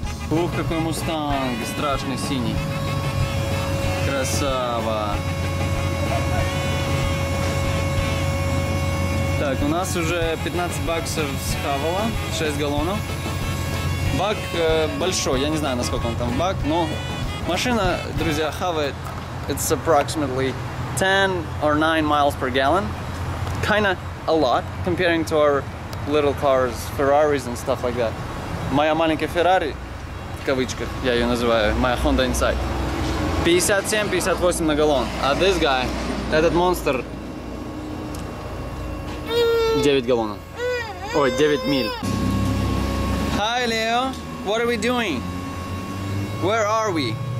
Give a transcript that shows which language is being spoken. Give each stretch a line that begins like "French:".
Russian: Ух, какой мустанг, страшный синий. Красава. Так, у нас уже 15 баксов схавало, 6 галлонов. Бак большой, я не знаю, насколько он там бак, но машина, друзья, хавает.
English: It's approximately 10 or 9 miles per gallon. Kinda a lot, comparing to our little cars, Ferraris and stuff like that.
Russian: Моя маленькая Феррари, в кавычках, я ее называю, моя Honda Insight, 57-58 на галлон. А
English: this guy,
Russian: этот монстр, 9 галлонов. Ой, 9 миль.
English: Hi, Leo. What are we doing? Where are we?